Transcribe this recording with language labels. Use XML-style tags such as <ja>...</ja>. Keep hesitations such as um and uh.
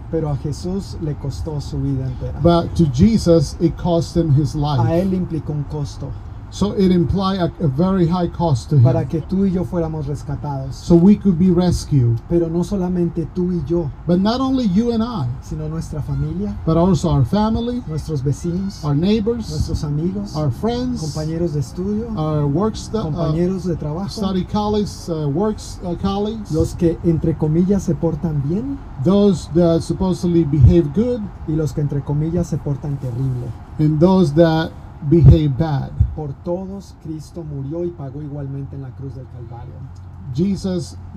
<es>Pero a Jesús le costó su vida entera.</es> <en>But to Jesus it cost him his life.</en> <es>A él implicó un costo.</es> <en>So it implied a, a, very high cost to him.</en> <es>Para que tú y yo fuéramos rescatados.</es> <en>So we could be rescued.</en> <es>Pero no solamente tú y yo.</es> <en>But not only you and I.</en> <es>Sino nuestra familia.</es> <en>But also our family.</en> <es>Nuestros vecinos.</es> <en>Our neighbors.</en> <es>Nuestros amigos.</es> <en>Our friends.</en> <es>Compañeros de estudio.</es> <en>Our work</en> <es>compañeros uh, de trabajo.</es> <en>Study college, uh, works, uh, colleagues,</en> <es>Los que entre comillas se portan bien.</es> <en>Those that supposedly behave good.</en> <es>Y los que entre comillas se portan terrible.</es> <en>And those that</en> <es>por todos Cristo murió y pagó igualmente en la cruz del Calvario. Jesus</es>